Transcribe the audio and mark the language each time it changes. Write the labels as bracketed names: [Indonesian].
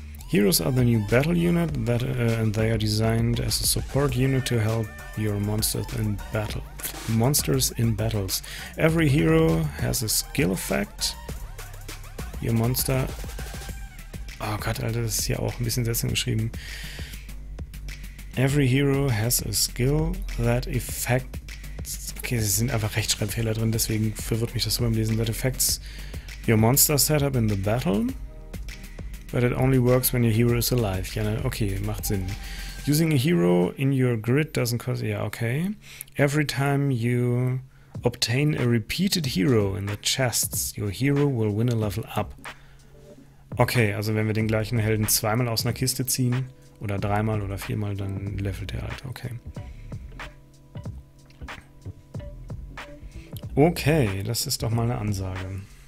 [English] Heroes are the new battle unit that and they are designed as a support unit to help your monsters in battle. Monsters in battles. Every hero has a skill effect. Your monster. [German] Oh Gott, Alter, das ist hier auch ein bisschen seltsam geschrieben. [English] Every hero has a skill that affects. [German] Okay, es sind einfach Rechtschreibfehler drin, deswegen verwirrt mich das so beim Lesen. [English] That affects your monster setup in the battle. But it only works when your hero is alive. [German] Ja, okay, macht Sinn. [English] Using a hero in your grid doesn't cause... [German] Ja, okay. [English] Every time you obtain a repeated hero in the chests, your hero will win a level up. [German] Okay, also wenn wir den gleichen Helden zweimal aus einer Kiste ziehen, oder dreimal oder viermal, dann levelt er halt. Okay. Okay, das ist doch mal eine Ansage.